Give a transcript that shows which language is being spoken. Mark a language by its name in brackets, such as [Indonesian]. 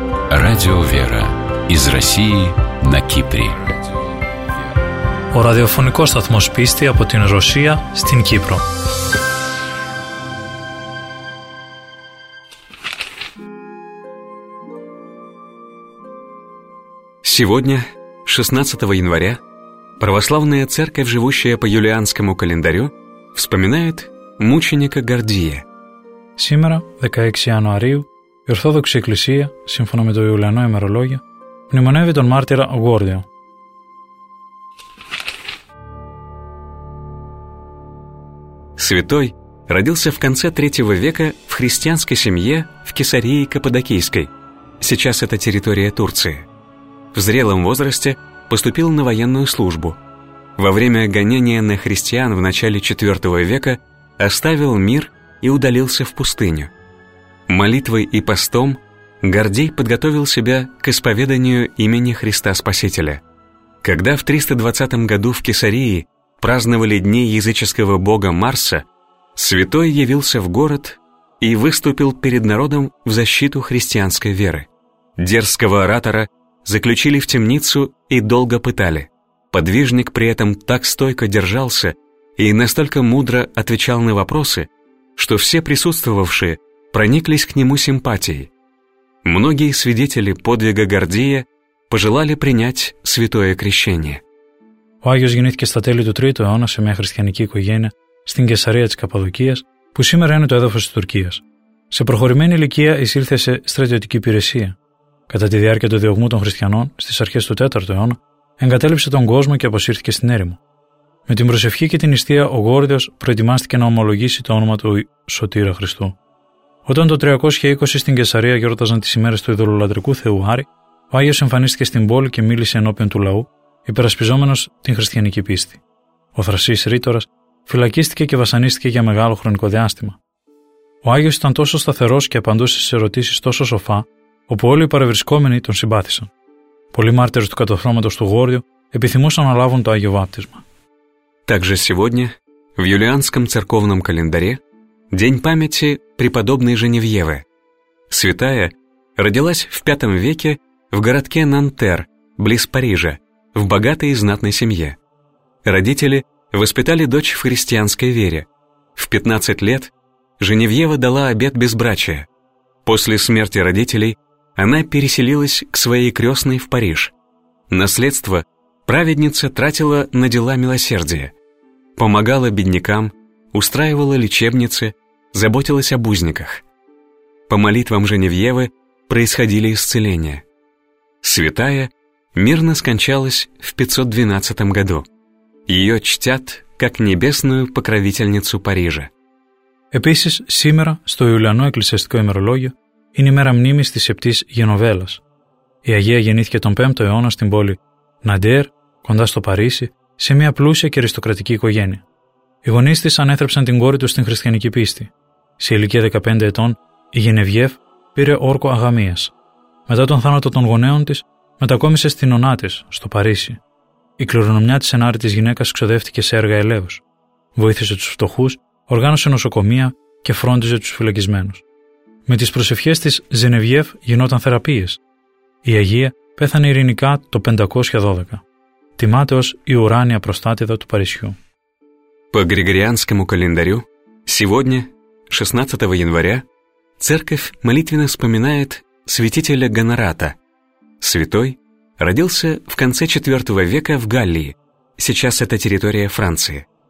[Russian] Радио «Вера» из России на Кипре. [Greek] Ο ραδιοφωνικός σταθμός πίστη από την Ρωσία στην Κύπρο. [Russian] Сегодня, 16 января, православная церковь, живущая по юлианскому календарю, вспоминает мученика Гордия. Сегодня, 16 января, [Greek] η Ορθόδοξη Εκκλησία, σύμφωνα με το Ιουλιανό ημερολόγιο, μνημονεύει τον μάρτυρα Γόρδιο. [Russian] Святой родился в конце III века в христианской семье в Кесарии Каппадокийской. Сейчас это территория Турции. В зрелом возрасте поступил на военную службу. Во время гонения на христиан в начале IV века оставил мир и удалился в пустыню. Молитвой и постом Гордий подготовил себя к исповеданию имени Христа Спасителя. Когда в 320 году в Кесарии праздновали дни языческого бога Марса, святой явился в город и выступил перед народом в защиту христианской веры. Дерзкого оратора заключили в темницу и долго пытали. Подвижник при этом так стойко держался и настолько мудро отвечал на вопросы, что все присутствовавшие прониклись к нему симпатией. Многие свидетели подвига Гордия пожелали принять святое крещение. [Greek] Ο Άγιος γεννήθηκε στα τέλη του 3ου αιώνα σε μια χριστιανική οικογένεια στην Κεσαρία της Καπαδοκίας, που σήμερα είναι το έδαφος της Τουρκίας. Σε προχωρημένη ηλικία εισήλθε σε στρατιωτική υπηρεσία. Κατά τη διάρκεια του διωγμού των χριστιανών, στις αρχές του 4ου αιώνα, εγκατέλειψε τον κόσμο και αποσύρθηκε στην έρημο. Με την προσευχή και την νηστεία, ο Γόρδιος προετοιμάστηκε να ομολογήσει το όνομα του Σωτήρα Χριστού. Όταν το 320 στην Κεσαρία γιόρταζαν τις ημέρες του ειδωλολατρικού Θεού Άρη, ο Άγιος εμφανίστηκε στην πόλη και μίλησε ενώπιον του λαού, υπερασπιζόμενος την χριστιανική πίστη. Ο Θρασής Ρήτορας φυλακίστηκε και βασανίστηκε για μεγάλο χρονικό διάστημα. Ο Άγιος ήταν τόσο σταθερός και απαντούσε στις ερωτήσεις τόσο σοφά, όπου όλοι οι παρευρισκόμενοι τον συμπάθησαν. Πολλοί μάρτυρες του κατοχρώματος του Γόρδιο επιθυμούσαν να λάβουν το Άγιο Βάπτισμα. [Russian] Также сегодня в юлианском церковном календаре день памяти преподобной Женевьевы. Святая родилась в V веке в городке Нантер, близ Парижа, в богатой и знатной семье. Родители воспитали дочь в христианской вере. В 15 лет Женевьева дала обет безбрачия. После смерти родителей она переселилась к своей крестной в Париж. Наследство праведница тратила на дела милосердия. Помогала беднякам, устраивала лечебницы, заботилась об узниках. По молитвам Женевьевы происходили исцеления. Святая мирно скончалась в 512 году. Ее чтят как небесную покровительницу Парижа. [Greek] Επίσης, σήμερα, στο Ιουλιανό Εκκλησιαστικό ημερολόγιο, είναι η μέρα μνήμης της Σεπτής Γενοβέλας. Η Αγία γεννήθηκε τον 5ο αιώνα στην πόλη Ναντέρ, κοντά στο Παρίσι, σε μια πλούσια και αριστοκρατική οικογένεια. Οι γονείς της ανέθρεψαν την κόρη τους στην χριστιανική πίστη. Σε ηλικία 15 ετών, η Γενεβιέφ πήρε όρκο αγαμίας. Μετά τον θάνατο των γονέων της, μετακόμισε στην ονά της, στο Παρίσι. Η κληρονομιά της ενάρετης γυναίκας ξοδεύτηκε σε έργα ελέους. Βοήθησε τους φτωχούς, οργάνωσε νοσοκομεία και φρόντιζε τους φυλακισμένους. Με τις προσευχές της, Ζενεβιέφ γινόταν θεραπείες. Η Αγία πέθανε ειρηνικά το 512. Τιμάται ως η ουράνια προστάτηδα του Παρισιού. [Russian] По Григорианскому календарю, сегодня, 16 января, церковь молитвенно вспоминает святителя Гонората. Святой родился в конце IV века в Галлии, сейчас это территория Франции.